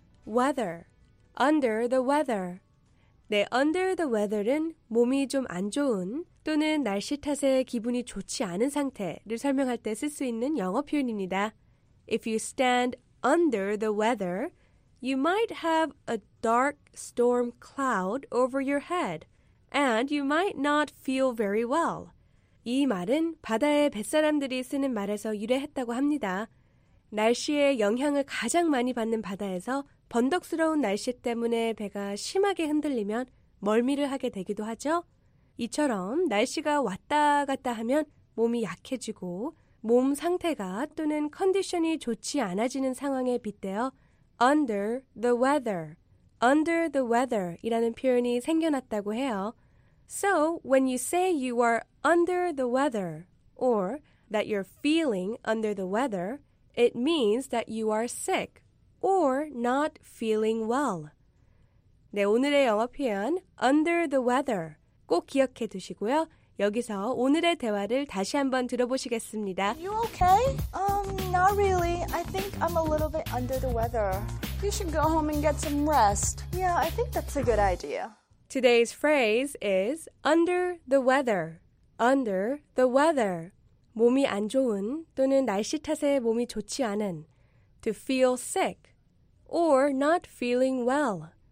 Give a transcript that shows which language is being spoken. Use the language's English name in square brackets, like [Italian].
[Korean] Weather, under the weather. 네, under the weather은 몸이 좀 안 좋은 또는 날씨 탓에 기분이 좋지 않은 상태를 설명할 때 쓸 수 있는 영어 표현입니다. [English] If you stand under the weather, you might have a dark storm cloud over your head, and you might not feel very well. [Korean] 이 말은 바다의 뱃사람들이 쓰는 말에서 유래했다고 합니다. 날씨의 영향을 가장 많이 받는 바다에서 번덕스러운 날씨 때문에 배가 심하게 흔들리면 멀미를 하게 되기도 하죠. 이처럼 날씨가 왔다 갔다 하면 몸이 약해지고 몸 상태가 또는 컨디션이 좋지 않아지는 상황에 빗대어 under the weather, under the weather이라는 표현이 생겨났다고 해요. [English] So when you say you are under the weather or that you're feeling under the weather, it means that you are sick. Or not feeling well. [Korean] 네, 오늘의 영어 표현 under the weather 꼭 기억해 두시고요. 여기서 오늘의 대화를 다시 한번 들어보시겠습니다. [English] You okay? Not really. I think I'm a little bit under the weather. You should go home and get some rest. Yeah, I think that's a good idea. Today's phrase is under the weather. [Korean] Under the weather. 몸이 안 좋은 또는 날씨 탓에 몸이 좋지 않은 [English] To feel sick or not feeling well.